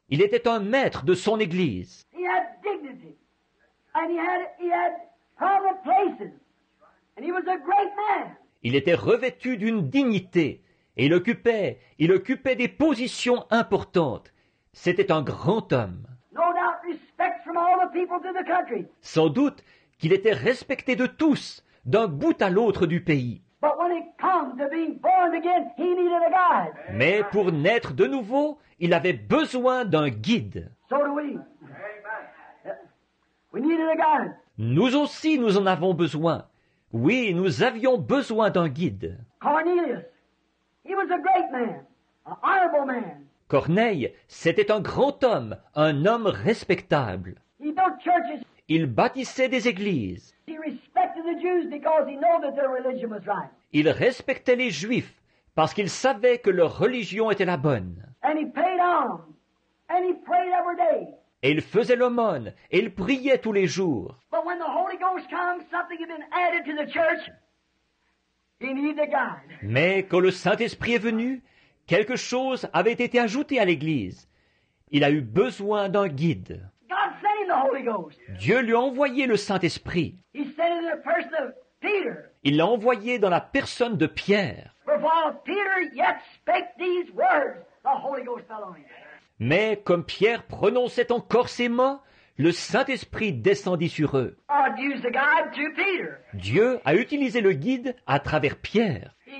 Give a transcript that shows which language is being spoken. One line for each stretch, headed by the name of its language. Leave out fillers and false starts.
French: Il était un maître de son église.
English: He had dignity. And he had public places. And he was a great man.
French: Il était revêtu d'une dignité et il occupait des positions importantes. C'était un grand homme.
English: No doubt respect from all the people to the country.
French: Sans doute qu'il était respecté de tous, d'un bout à l'autre du pays.
English: But when it comes to being born again, he needed a guide.
French: Mais pour naître de nouveau, il avait besoin d'un guide.
English: So do we. We needed a guide.
French: Nous aussi, nous en avons besoin. Oui, nous avions besoin d'un guide.
English: Cornelius, he was a great man, an honorable man.
French: Corneille, c'était un grand homme, un homme respectable.
English: He built churches.
French: Il bâtissait des églises.
English: He respected the Jews because he knew that their religion was right.
French: Il respectait les Juifs parce qu'il savait que leur religion était la bonne.
English: And he paid alms. And he prayed every day.
French: Et il faisait l'aumône et il priait tous les jours.
English: But when the Holy Ghost comes, something had been added to the church. He needed a guide.
French: Mais quand le Saint-Esprit est venu, quelque chose avait été ajouté à l'église. Il a eu besoin d'un guide.
English: God sent him the Holy Ghost.
French: Dieu lui a envoyé le Saint-Esprit.
English: He sent him in the person of Peter.
French: Il l'a envoyé dans la personne de Pierre.
English: For while Peter yet spake these words, the Holy Ghost fell on him.
French: Mais comme Pierre prononçait encore ces mots, le Saint-Esprit descendit sur eux.
English: God used the guide to Peter.
French: Dieu a utilisé le guide à travers Pierre.